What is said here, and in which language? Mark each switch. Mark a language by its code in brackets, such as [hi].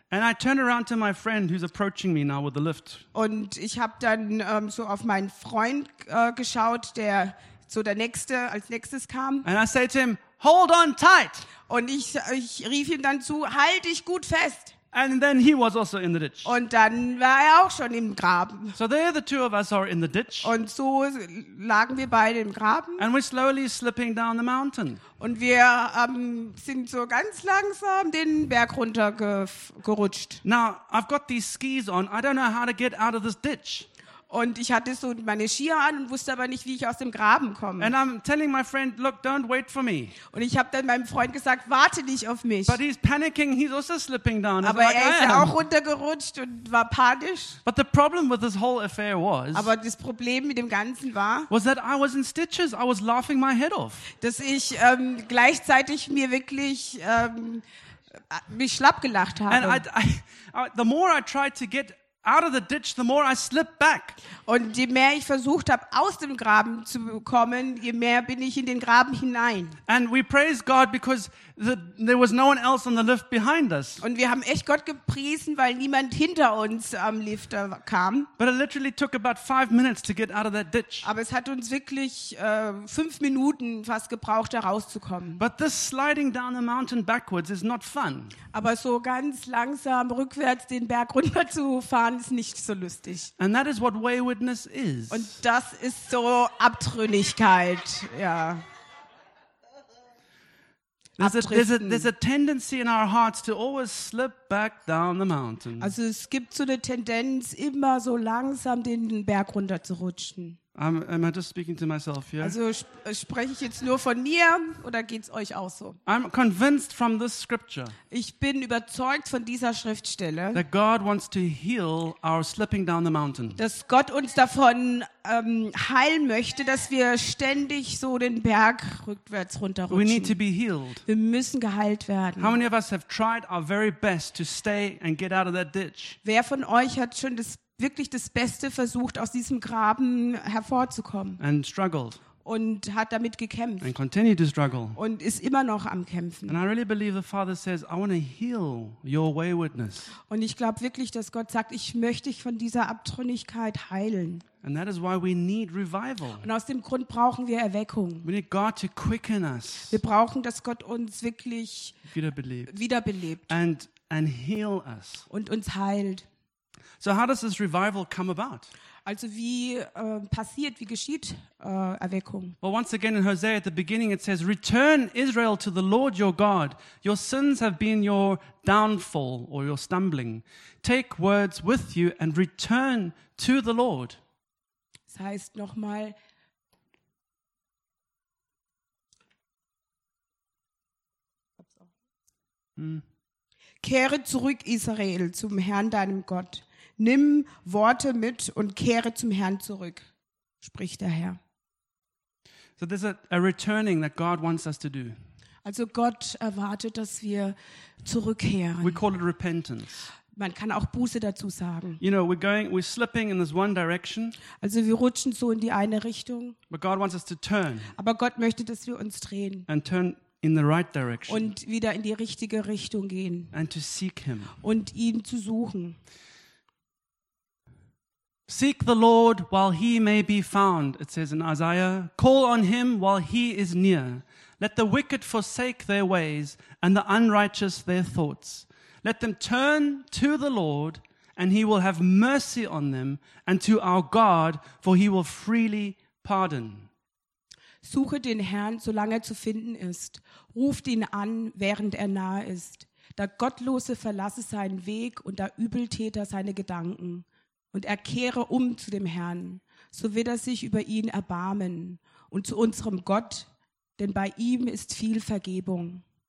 [en] And I turn around to my friend who's approaching me now with the lift. [de] Und ich habe dann so auf meinen Freund geschaut, der so der nächste als nächstes kam. [en] And I said to him, "Hold on tight." [de] Und ich rief ihm dann zu, "Halt dich gut fest." [en] And then he was also in the ditch. [de] Und dann war er auch schon im Graben. [en] So there the two of us are in the ditch. [de] Und so lagen wir beide im Graben. [en] And we're slowly slipping down the mountain. [de] Und wir sind so ganz langsam den Berg runter gerutscht. [en] Now, I've got these skis on. I don't know how to get out of this ditch. [de] Und ich hatte so meine Skier an und wusste aber nicht, wie ich aus dem Graben komme. [en] And I'm telling my friend, look, don't wait for me. [de] Und ich habe dann meinem Freund gesagt, warte nicht auf mich. [en] But he's panicking, he's also slipping down. [de] Aber er ist auch runtergerutscht und war panisch. [en] But the problem with this whole affair was, [de] aber das Problem mit dem Ganzen war, [en] was that I was in stitches, I was laughing my head off. [de] Dass ich gleichzeitig mir wirklich mich schlapp gelacht habe. [en] And the more I tried to get out of the ditch, the more I slipped back. [de] Und je mehr ich versucht habe, aus dem Graben zu kommen, je mehr bin ich in den Graben hinein. [en] And we praise God because there was no one else on the lift behind us. [de] Und wir haben echt Gott gepriesen, weil niemand hinter uns am Lift kam. [en] But it literally took about 5 minutes to get out of that ditch. [de] Aber es hat uns wirklich 5 Minuten fast gebraucht, da rauszukommen. [en] But this sliding down the mountain backwards is not fun. [de] Aber so ganz langsam rückwärts den Berg runter zu fahren, ist nicht so lustig. [en] And that is what waywardness is. [de] Und das ist so Abtrünnigkeit, ja. [en] There's a tendency in our hearts to always slip back down the mountain. [de] Also es gibt so eine Tendenz, immer so langsam den Berg runter zu rutschen. [en] Am I just speaking to myself here? [de] Also spreche ich jetzt nur von mir oder geht's euch auch so? [en] I'm convinced from this scripture. [de] Ich bin überzeugt von dieser Schriftstelle. [en] That God wants to heal our slipping down the mountain. [de] Dass Gott uns davon heilen möchte, dass wir ständig so den Berg rückwärts runterrutschen. [en] We need to be healed. [de] Wir müssen geheilt werden. [en] How many of us have tried our very best to stay and get out of that ditch? [de] Wer von euch hat schon das Beste versucht, aus diesem Graben hervorzukommen? [en] And struggled. [de] Und hat damit gekämpft. [en] And continue to struggle. [de] Und ist immer noch am Kämpfen. [en] And I really believe the Father says, I want to heal your waywardness. [de] Und ich glaube wirklich, dass Gott sagt, ich möchte dich von dieser Abtrünnigkeit heilen. [en] And that is why we need revival. [de] Und aus dem Grund brauchen wir Erweckung. [en] We need God to quicken us. [de] Wir brauchen, dass Gott uns wirklich wiederbelebt. [en] And heal us. [de] Und uns heilt. [en] So how does this revival come about? [de] Also wie passiert, wie geschieht Erweckung? [en] Well, once again in Hosea at the beginning it says, "Return Israel to the Lord your God. Your sins have been your downfall or your stumbling. Take words with you and return to the Lord." [de] Das heißt nochmal. Kehre zurück, Israel, zum Herrn deinem Gott. Nimm Worte mit und kehre zum Herrn zurück, spricht der Herr. [en] So there's a returning that God wants us to do. [de] Also Gott erwartet, dass wir zurückkehren. [en] We call it repentance. [de] Man kann auch Buße dazu sagen. [en] You know, we're slipping in this one direction. [de] Also wir rutschen so in die eine Richtung. [en] But God wants us to turn. [de] Aber Gott möchte, dass wir uns drehen. [en] And turn in the right direction. [de] Und wieder in die richtige Richtung gehen. [en] And to seek him. [de] Und ihn zu suchen. [en] Seek the Lord while he may be found, it says in Isaiah. Call on him while he is near. Let the wicked forsake their ways and the unrighteous their thoughts. Let them turn to the Lord and he will have mercy on them and to our God, for he will freely pardon. [de] Suche den Herrn, solange er zu finden ist. Ruft ihn an, während er nahe ist. Der Gottlose verlasse seinen Weg und der Übeltäter seine Gedanken. Und er kehre um zu dem Herrn, so wird er sich über ihn erbarmen. Und zu unserem Gott, denn bei ihm ist viel Vergebung.